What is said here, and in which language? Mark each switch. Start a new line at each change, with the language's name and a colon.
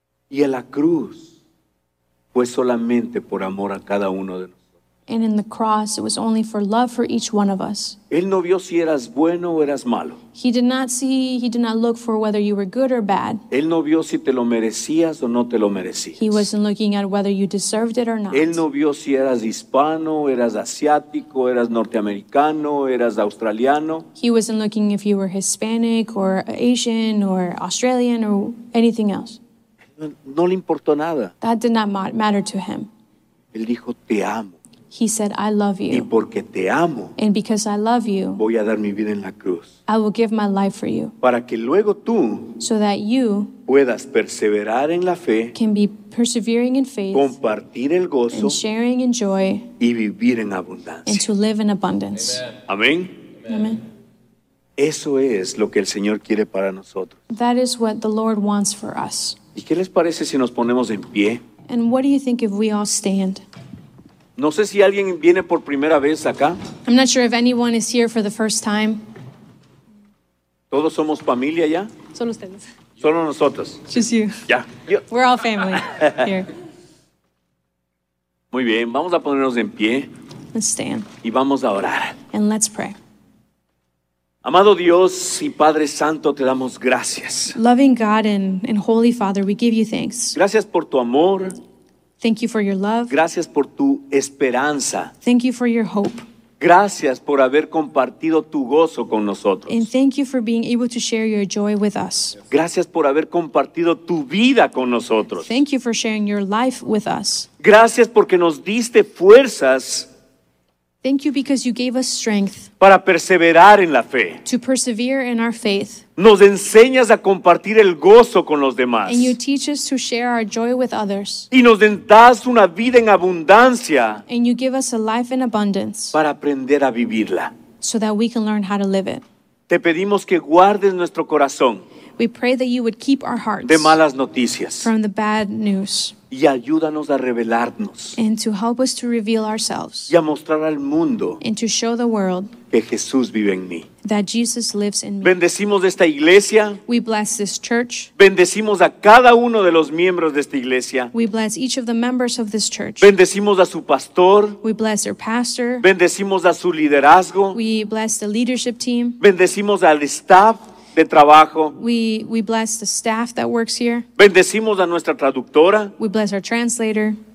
Spanish: Y a la cruz fue solamente por amor a cada uno de nosotros.
English: And in the cross it was only for love for each one of us.
Spanish: Él no vio si eras bueno o eras malo.
English: He did not look for whether you were good or bad.
Spanish: Él no vio si te lo merecías o no te lo merecías.
English: He wasn't looking at whether you deserved it or not.
Spanish: Él no vio si eras hispano, eras asiático, eras norteamericano, eras australiano.
English: He wasn't looking if you were Hispanic or Asian or Australian or anything else.
Spanish: No le importó nada.
English: That did not matter to him.
Spanish: Él dijo, te amo.
English: He said, I love you.
Spanish: Y porque te amo,
English: and because I love you,
Spanish: voy a dar mi vida en la cruz.
English: I will give my life for you.
Spanish: Para que luego tú,
English: so that you
Spanish: puedas perseverar en la fe,
English: can be persevering in faith,
Spanish: compartir el gozo,
English: and sharing in joy,
Spanish: y vivir en abundancia.
English: And to live in abundance.
Spanish: Amén.
English: Amén.
Spanish: Eso es lo que el Señor quiere para nosotros.
English: That is what the Lord wants for us.
Spanish: ¿Y qué les parece si nos ponemos en pie?
English: And what do you think if we all stand?
Spanish: No sé si alguien viene por primera vez acá.
English: I'm not sure if anyone is here for the first time.
Spanish: ¿Todos somos familia ya? Solo ustedes. Solo nosotros.
English: Just you.
Spanish: Ya.
English: Yeah. We're all family here.
Spanish: Muy bien, vamos a ponernos en pie.
English: Let's stand.
Spanish: Y vamos a orar.
English: And let's pray.
Spanish: Amado Dios y Padre Santo, te damos gracias.
English: Loving God and Holy Father, we give you thanks.
Spanish: Gracias por tu amor.
English: Thank you for your love.
Spanish: Gracias por tu esperanza.
English: Thank you for your hope.
Spanish: Gracias por haber compartido tu gozo con nosotros.
English: And thank you for being able to share your joy with us.
Spanish: Gracias por haber compartido tu vida con nosotros.
English: Thank you for sharing your life with us.
Spanish: Gracias porque nos diste fuerzas.
English: Thank you because you gave us strength.
Spanish: Para perseverar en la fe.
English: To persevere in our faith.
Spanish: Nos enseñas a compartir el gozo con los demás.
English: And you teach us to share our joy with others.
Spanish: Y nos das una vida en abundancia.
English: And you give us a life in abundance.
Spanish: Para aprender a vivirla.
English: So that we can learn how to live it.
Spanish: Te pedimos que guardes nuestro corazón.
English: We pray that you would keep our hearts.
Spanish: De malas noticias.
English: From the bad news.
Spanish: Y ayúdanos a revelarnos.
English: And to help us to reveal ourselves.
Spanish: Y a mostrar al mundo.
English: And to show the world.
Spanish: Que Jesús vive en mí.
English: That Jesus lives in me.
Spanish: Bendecimos esta iglesia.
English: We bless this church.
Spanish: Bendecimos a cada uno de los miembros de esta iglesia.
English: We bless each of the members of this church.
Spanish: Bendecimos a su pastor.
English: We bless their pastor.
Spanish: Bendecimos a su liderazgo.
English: We bless the leadership team.
Spanish: Bendecimos al staff de trabajo.
English: We bless the staff that works here.
Spanish: Bendecimos a nuestra traductora.
English: We bless our translator.